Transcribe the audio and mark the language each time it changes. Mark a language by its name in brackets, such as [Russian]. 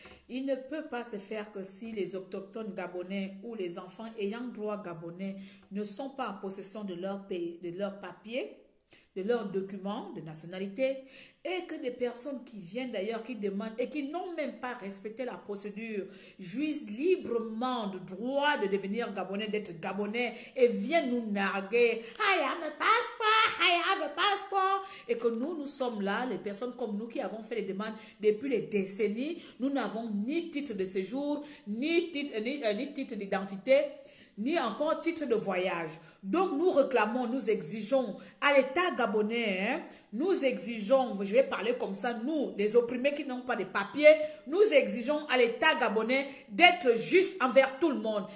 [French] Il ne peut pas se faire que si les autochtones gabonais ou les enfants ayant droit gabonais ne sont pas en possession de leur pays, de leurs papiers, de leurs documents de nationalité, et que des personnes qui viennent d'ailleurs, qui demandent et qui n'ont même pas respecté la procédure, jouissent librement du droit de devenir gabonais, d'être gabonais, et viennent nous narguer. [English] I have a passport, I have a passport. [French] Et que nous sommes là, les personnes comme nous qui avons fait les demandes depuis les décennies, nous n'avons ni titre de séjour, ni titre d'identité, ni encore titre de voyage. Donc nous réclamons, nous exigeons à l'État gabonais, hein, nous exigeons, je vais parler comme ça, nous, les opprimés qui n'ont pas de papiers, nous exigeons à l'État gabonais d'être juste envers tout le monde.